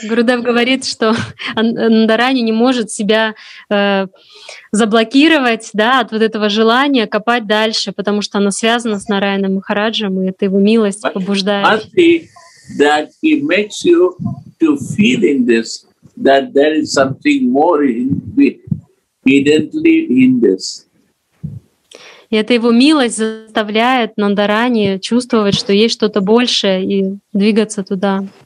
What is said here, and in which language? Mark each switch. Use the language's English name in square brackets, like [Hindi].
[Russian] Гурудев говорит, что Нандарани не может себя заблокировать, да, от вот этого желания копать дальше, потому что она связана с Нараяном Махараджем, и это его милость [English] But [Russian] побуждает. [English] But he that he makes you to feel in this that there is something more hiddenly in this. [Russian] И эта его милость заставляет Нандарани чувствовать, что есть что-то большее и двигаться туда.